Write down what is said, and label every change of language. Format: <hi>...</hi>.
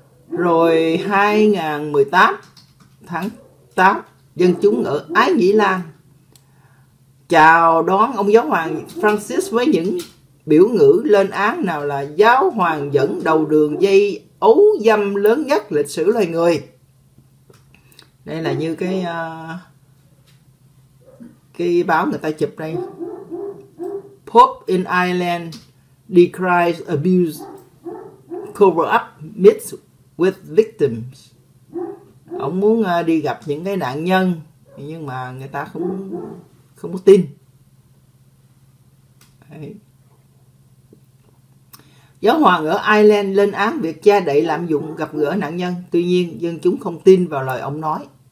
<vi>Rồi 2018, tháng 8, dân chúng ở Ái Nhĩ Lan chào đón ông giáo hoàng Francis với những biểu ngữ lên án, nào là giáo hoàng dẫn đầu đường dây ấu dâm lớn nhất lịch sử loài người. Đây là như cái báo người ta chụp đây.</vi> <en>Pope in Ireland decries abuse cover up myths with victims.</en> <vi>Ông muốn đi gặp những cái nạn nhân nhưng mà người ta không có tin. Đấy. Giáo hoàng ở Ireland lên án việc che đậy lạm dụng gặp gỡ nạn nhân, tuy nhiên dân chúng không tin vào lời ông nói.</vi>